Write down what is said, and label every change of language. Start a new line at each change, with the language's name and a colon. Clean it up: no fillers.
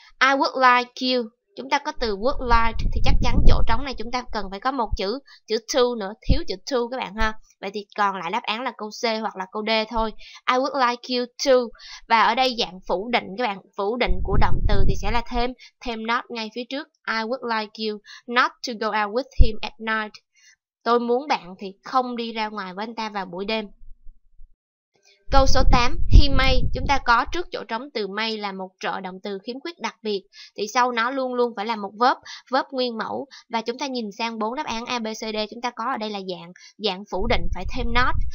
English: I would like you.
Vietnamese: Chúng ta có từ would like thì chắc chắn chỗ trống này chúng ta cần phải có một chữ, chữ to nữa, thiếu chữ to các bạn ha. Vậy thì còn lại đáp án là câu C hoặc là câu D thôi.
English: I would like you to.
Vietnamese: Và ở đây dạng phủ định các bạn, phủ định của động từ thì sẽ là thêm, thêm not ngay phía trước.
English: I would like you not to go out with him at night.
Vietnamese: Tôi muốn bạn thì không đi ra ngoài với anh ta vào buổi đêm. Câu số 8,
English: he may,
Vietnamese: chúng ta có trước chỗ trống từ may là một trợ động từ khiếm khuyết đặc biệt, thì sau nó luôn luôn phải là một verb, verb nguyên mẫu. Và chúng ta nhìn sang bốn đáp án A, B, C, D, chúng ta có ở đây là dạng, dạng phủ định phải thêm not.